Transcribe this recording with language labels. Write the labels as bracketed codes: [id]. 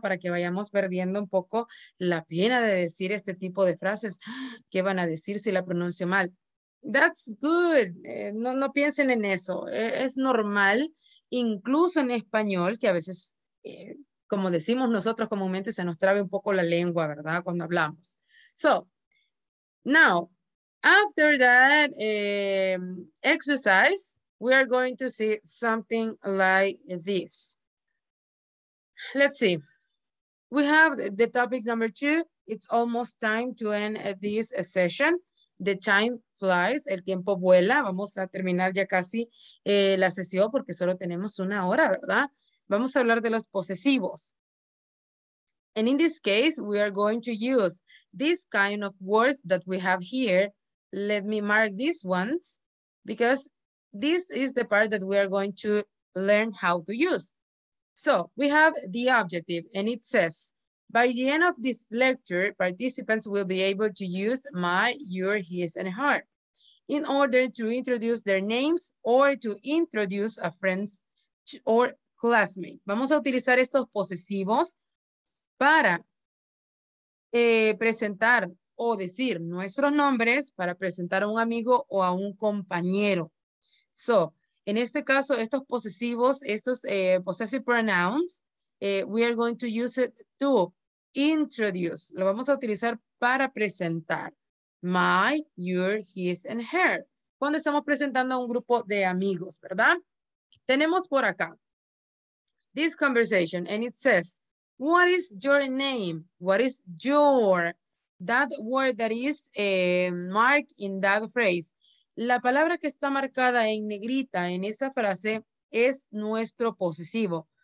[es] Para que vayamos perdiendo un poco la pena de decir este tipo de frases. ¿Qué van a decir si la pronuncio mal? [en] That's good. [es] No piensen en eso. Es normal, incluso en español, que a veces, como decimos nosotros comúnmente, se nos trabe un poco la lengua, ¿verdad? Cuando hablamos. [en] So, now, after that exercise, we are going to see something like this. Let's see. We have the topic number two. It's almost time to end this session. The time flies. [es] El tiempo vuela. Vamos a terminar ya casi la sesión porque solo tenemos una hora, ¿verdad? Vamos a hablar de los posesivos. [en] And in this case, we are going to use this kind of words that we have here. Let me mark these ones because this is the part that we are going to learn how to use. So we have the objective and it says, by the end of this lecture, participants will be able to use my, your, his, and her in order to introduce their names or to introduce a friend or classmate. [es] Vamos a utilizar estos posesivos para presentar o decir nuestros nombres para presentar a un amigo o a un compañero. [en] So, [es] en este caso, estos posesivos, estos [en] possessive pronouns, we are going to use it to introduce. [es] Lo vamos a utilizar para presentar my, your, his, and her. Cuando estamos presentando a un grupo de amigos, ¿verdad? Tenemos por acá [en] this conversation and it says, what is your name? What is your? That word that is marked in that phrase. [es] La palabra que está marcada en negrita en esa frase es nuestro posesivo.